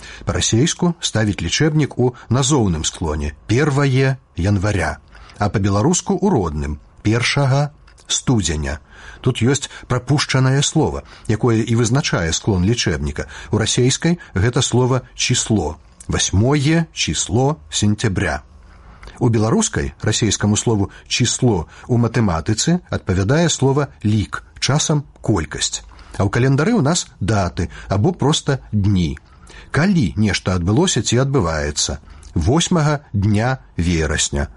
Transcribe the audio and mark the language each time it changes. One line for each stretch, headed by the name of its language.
Belarusian: Па-расейску ставіць лічэбнік у назоўным склоне «1 января», а па-беларуску у родным першага студзеня. Тут ёсць прапушчанае слова, якое і вызначае склон лічэбніка. У расейскай гэта слова «число».
Russian: Восьмое число сентября.
Belarusian: У беларускай расейскаму слову «число» у матэматыцы адпавядае слова «лік», часам «колькасць». А ў календары ў нас даты або проста дні. Калі нешта адбылося ці адбываецца? 8 дня верасня.